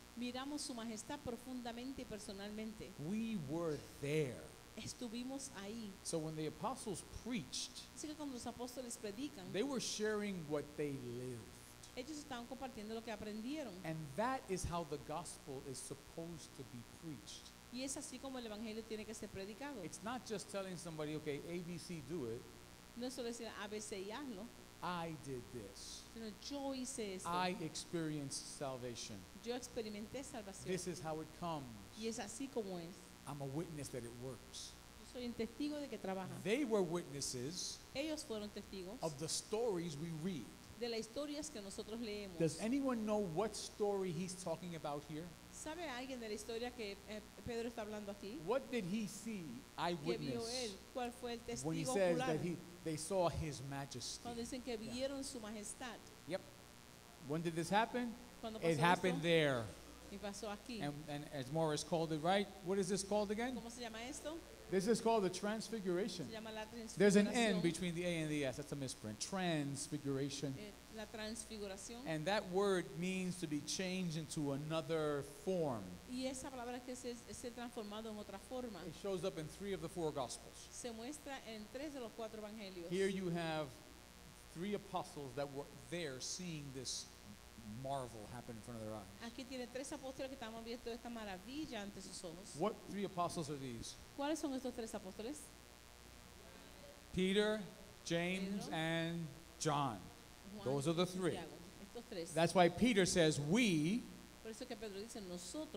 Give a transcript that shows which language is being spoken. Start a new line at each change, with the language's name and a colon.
Spanish: Miramos su majestad profundamente y personalmente.
English: We were there.
Spanish: Estuvimos ahí.
English: So when the apostles preached,
Spanish: así que cuando los apóstoles predican,
English: they were sharing what they lived.
Spanish: Ellos estaban compartiendo lo que aprendieron.
English: And that is how the gospel is supposed to be preached.
Spanish: Y es así como el evangelio tiene que ser predicado.
English: It's not just telling somebody, okay, A, B, C, do it.
Spanish: No solo decir ABC y hazlo.
English: I did this.
Spanish: Sino yo hice esto.
English: I experienced salvation.
Spanish: Yo experimenté salvación.
English: This is how it comes.
Spanish: Y es así como es.
English: I'm a witness that it works.
Spanish: Yo soy un testigo de que trabaja.
English: They were witnesses.
Spanish: Ellos fueron testigos.
English: Of the stories we read.
Spanish: De las historias que nosotros leemos.
English: Does anyone know what story he's talking about here?
Spanish: ¿Sabe alguien de la historia que Pedro está hablando aquí?
English: What did he see, eyewitness?
Spanish: ¿Qué vio él? ¿Cuál fue el testigo ocular?
English: When he says that they saw his majesty.
Spanish: Cuando dicen que vieron su majestad.
English: Yep. When did this happen?
Spanish: Cuando
English: pasó. It happened There.
Spanish: Y pasó aquí.
English: And as Morris called it, right? What is this called again?
Spanish: ¿Cómo se llama esto?
English: This is called the transfiguration.
Spanish: Se llama la transfiguración.
English: There's an N between the A and the S. That's a misprint. Transfiguration.
Spanish: La transfiguración.
English: And that word means to be changed into another form.
Spanish: Y esa palabra que se transformado en otra forma.
English: It shows up in three of the four Gospels.
Spanish: Se muestra en tres de los cuatro evangelios.
English: Here you have three apostles that were there seeing this marvel happen in front of their eyes.
Spanish: Aquí tiene tres apóstoles que estaban viendo esta maravilla ante sus ojos.
English: What three apostles are these?
Spanish: ¿Cuáles son estos tres apóstoles?
English: Peter, James, Pedro, and John.
Spanish: Juan,
English: those are the three.
Spanish: Estos tres.
English: That's why Peter says we.
Spanish: Por eso que Pedro dice nosotros.